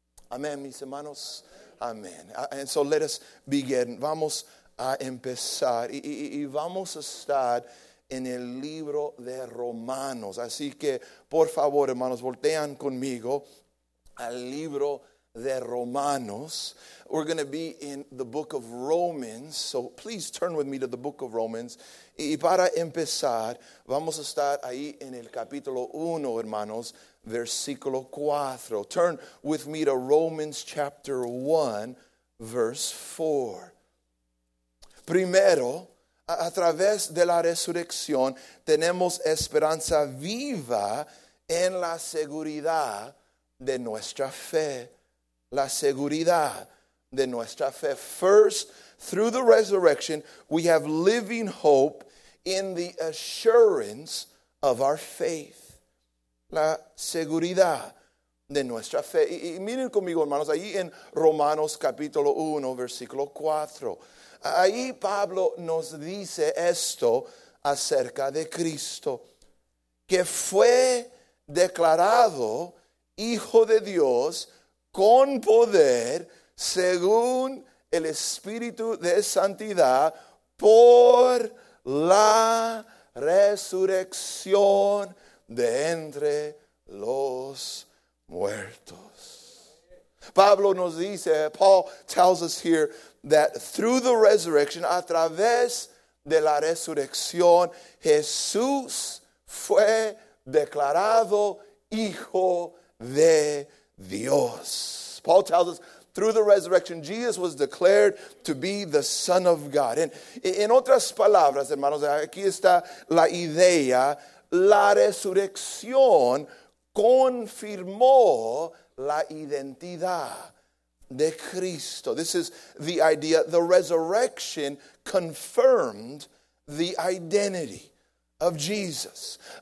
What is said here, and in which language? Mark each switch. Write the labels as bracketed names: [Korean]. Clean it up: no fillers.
[Spanish] Amén, mis hermanos. Amén. [English] And so let us begin. [Spanish] Vamos a empezar. Y vamos a estar en el libro de Romanos. Así que, por favor, hermanos, voltean conmigo al libro de Romanos. [English] We're going to be in the book of Romans. So please turn with me to the book of Romans. [Spanish] Y para empezar, vamos a estar ahí en el capítulo 1, hermanos, versículo 4. [English] Turn with me to Romans chapter 1, verse 4. [Spanish] Primero, a través de la resurrección, tenemos esperanza viva en la seguridad de nuestra fe. La seguridad de nuestra fe. [English] First, through the resurrection, we have living hope in the assurance of our faith. [Spanish] La seguridad de nuestra fe. Y miren conmigo, hermanos, ahí en Romanos capítulo 1, versículo 4. Ahí Pablo nos dice esto acerca de Cristo, que fue declarado Hijo de Dios con poder según el Espíritu de Santidad por la resurrección de entre los muertos. Pablo nos dice, [English] Paul tells us here, that through the resurrection, [Spanish] a través de la resurrección, Jesús fue declarado Hijo de Dios. [English] Paul tells us, through the resurrection, Jesus was declared to be the Son of God. [Spanish] En otras palabras, hermanos, aquí está la idea, la resurrección confirmó la identidad de Cristo. [English] This is the idea. The resurrection confirmed the identity of Jesus.